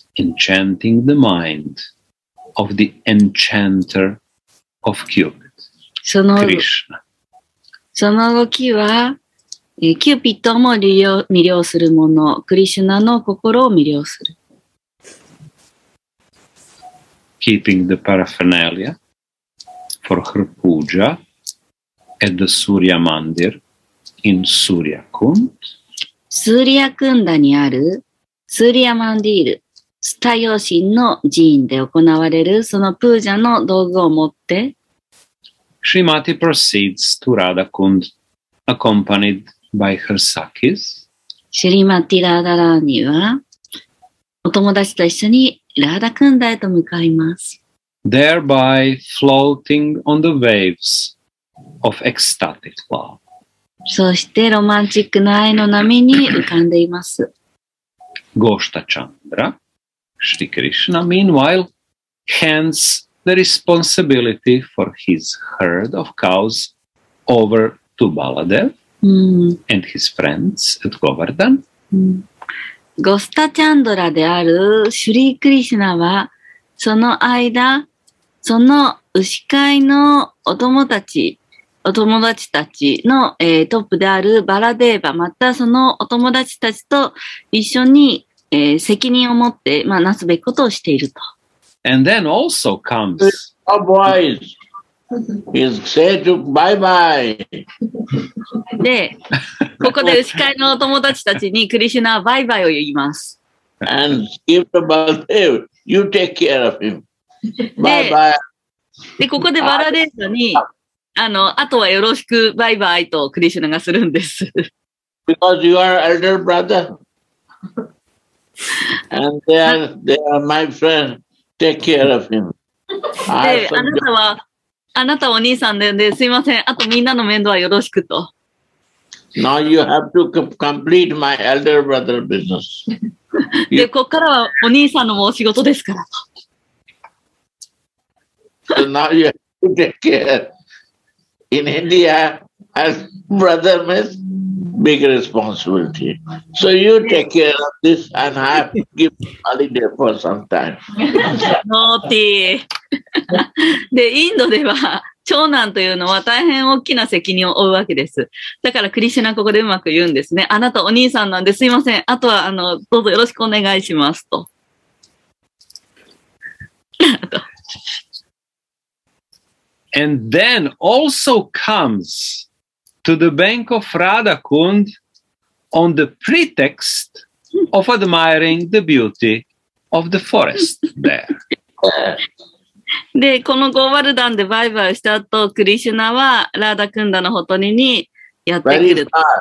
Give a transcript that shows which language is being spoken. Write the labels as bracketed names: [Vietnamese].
[English] Enchanting the mind of the enchanter of Cupid. [Japanese] その動きは、キューピットも魅了するもの、クリシュナの心を魅了する。 [English] Keeping the paraphernalia for her puja at the Surya Mandir in Surya Kund. [Japanese] スーリアクンダにあるスーリアマンディール、スタヨシンの寺院で行われるそのプージャの道具を持って、 [English] Shrimati proceeds to Radhakund, accompanied by her sakis. [Japanese] Shrimati Radharani は、お友達と一緒にRadhakundaへと向かいます。 [English] Thereby floating on the waves of ecstatic love. [Japanese] そして、ロマンチックな愛の波に浮かんでいます。 [English] Goshta Chandra, Shri Krishna, meanwhile, hands the responsibility for his herd of cows over to Baladev、and his friends at Govardhan. [Japanese] ゴスタチャンドラであるシュリークリシュナはその間その牛飼いのお友達たちの、トップであるバラデーバまたそのお友達たちと一緒に、責任を持って、まあ、なすべきことをしていると。 [English] And then also comes a voice. He said to bye bye. [Japanese] で、ここで牛飼いのお友達たちにクリシュナはバイバイを言います。 [English] And give the Baladev, you take care of him. Bye bye. [Japanese] で、ここでバラレーサに、あとはよろしく、バイバイとクリシュナがするんです。 [English] Because you are elder brother. And they are my friend. Take care of him. [Japanese] で、あなたは、あなたお兄さんで、ね、すいません。あとみんなの面倒はよろしくと。 [English] Now you have to complete my elder brother business. [Japanese] で、こっからはお兄さんのもお仕事ですからと。 [English] So now you have to take care. In India, as brother means big responsibility. So you take care of this and have to give holiday for some time. Naughty. [Japanese] で、インドでは長男というのは大変大きな責任を負うわけです。だからクリシュナここでうまく言うんですね。あなたお兄さんなんですいません。あとはどうぞよろしくお願いしますと。 [English] And then also comes to the bank of Radhakund on the pretext of admiring the beauty of the forest there. [Japanese] で、このゴーワルダンでバイバイした後、クリシュナはラーダクンダのほとりにやってくると。